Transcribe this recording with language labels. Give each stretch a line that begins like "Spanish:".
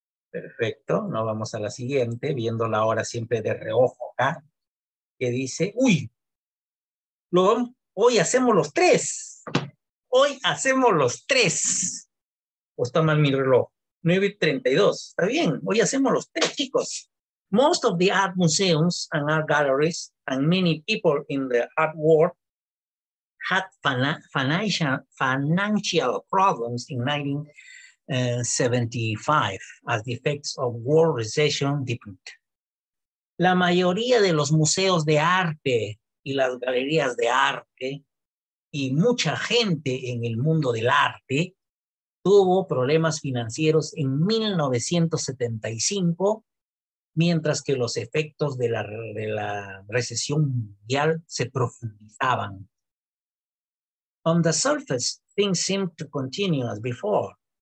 Spanish: Perfecto, nos vamos a la siguiente, viéndola ahora siempre de reojo acá. Que dice, uy, hoy hacemos los tres. O está mal mi reloj, 9:32, está bien, hoy hacemos los tres, chicos.
English: Most of the art museums and art galleries and many people in the art world had financial problems in 1975 as the effects of world recession deepened.
Spanish: La mayoría de los museos de arte y las galerías de arte y mucha gente en el mundo del arte tuvo problemas financieros en 1975 mientras que los efectos de la recesión mundial se profundizaban.
English: On the surface, things seem to continue as before.